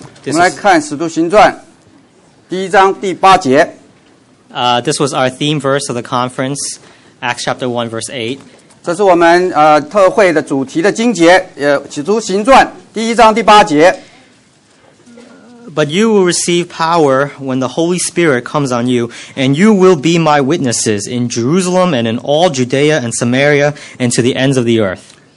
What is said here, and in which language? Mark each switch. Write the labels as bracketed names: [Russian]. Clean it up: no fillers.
[Chinese] 我们来看《使徒行传》第一章第八节。 [English] This was our theme verse of the conference, Acts chapter 1, verse 8. [Chinese] 这是我们特会的主题的经节，《使徒行传》第一章第八节。 [English] But you will receive power when the Holy Spirit comes on you, and you will be my witnesses in Jerusalem and in all Judea and Samaria and to the ends of the earth.